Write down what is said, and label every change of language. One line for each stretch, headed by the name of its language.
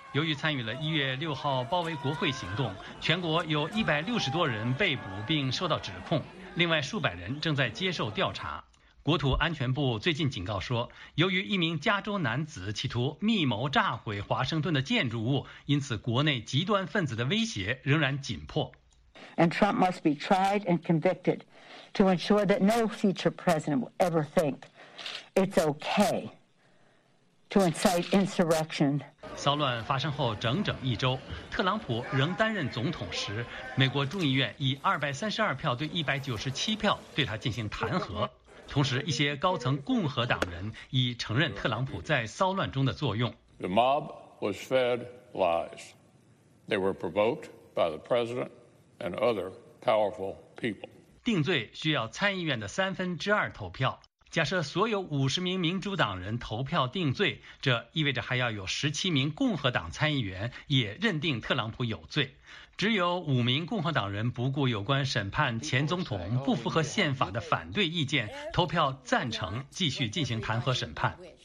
Chinese: 由于参与了1月6号包围国会行动，全国有160多人被捕并受到指控，另外数百人正在接受调查。国土安全部最近警告说，由于一名加州男子企图密谋炸毁华盛顿的建筑物，因此国内极端分子的威胁仍然紧迫。
English: And Trump must be tried and convicted to ensure that no future president will ever think it's okay to incite insurrection.
Chinese: 骚乱发生后整整一周，特朗普仍担任总统时，美国众议院以232票对197票对他进行弹劾。同时，一些高层共和党人已承认特朗普在骚乱中的作用。
English: The mob was fed lies. They were provoked by the president and other powerful people.
Chinese: 定罪需要参议院的2/3投票。假设所有50名民主党人投票定罪，这意味着还要有17名共和党参议员也认定特朗普有罪。只有5名共和党人不顾有关审判前总统不符合宪法的反对意见，投票赞成继续进行弹劾审判。